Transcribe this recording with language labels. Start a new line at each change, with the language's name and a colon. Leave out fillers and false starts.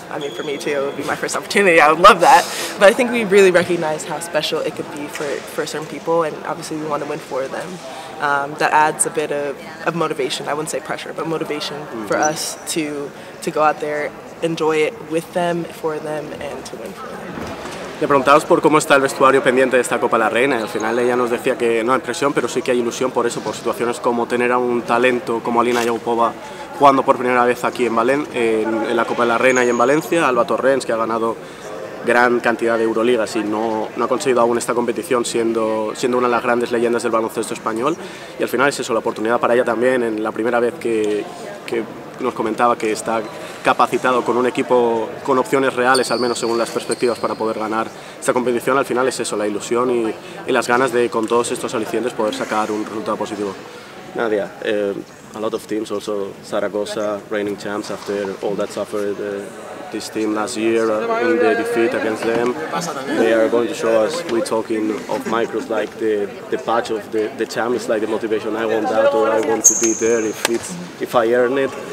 English: I mean, for me too, it would be my first opportunity. I would love that. But I think we really recognize how special it could be for certain people, and obviously we want to win for them. That adds a bit of motivation. I wouldn't say pressure, but motivation for us to go out there, enjoy it with them, for them, and to win for them.
Spanish: Le preguntamos por cómo está el vestuario pendiente de esta Copa de la Reina y al final ella nos decía que no hay presión, pero sí que hay ilusión por eso, por situaciones como tener a un talento como Alina Yaupova jugando por primera vez aquí en la Copa de la Reina y en Valencia, Alba Torrens, que ha ganado gran cantidad de Euroligas y no ha conseguido aún esta competición siendo una de las grandes leyendas del baloncesto español. Y al final es eso, la oportunidad para ella también, en la primera vez que nos comentaba que está capacitado con un equipo con opciones reales, al menos según las perspectivas, para poder ganar esta competición. Al final es eso, la ilusión y las ganas de, con todos estos alicientes, poder sacar un resultado positivo.
English: Nadia, a lot of teams, also Zaragoza, reigning champs after all that suffered this team last year in the defeat against them. They are going to show us, we're talking of micros, like the patch of the champ is like the motivation. I want that, or I want to be there if I earn it.